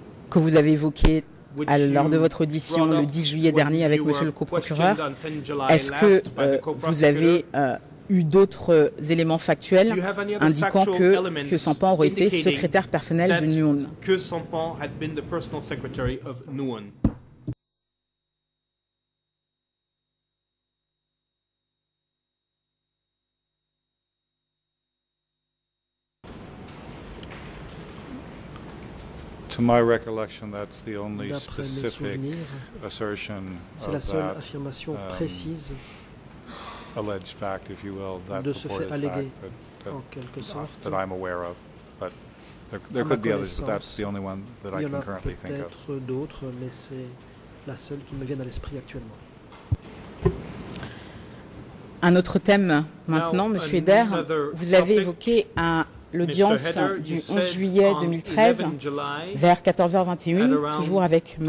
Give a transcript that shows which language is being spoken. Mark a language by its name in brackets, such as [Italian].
[French] que vous avez évoqué lors de votre audition le 10 juillet dernier avec Monsieur le coprocureur, est-ce que vous avez eu d'autres éléments factuels indiquant que Kyo Sampan aurait été secrétaire personnel de Nguyen? [English] Kyo Sampan had been the personal secretary of Nguyen. To my recollection, that's the only specific assertion of [French] la seule affirmation précise, [English] alleged fact, if you will, that purported fact that I'm aware of. But there could be others, but that's the only one that I can currently think of. [French] Il y en a peut-être d'autres, mais c'est la seule qui me vient à l'esprit actuellement. Un autre thème maintenant, M. Eder, vous avez évoqué un l'audience Heather, du 11 juillet 2013, July, vers 14h21, toujours avec M.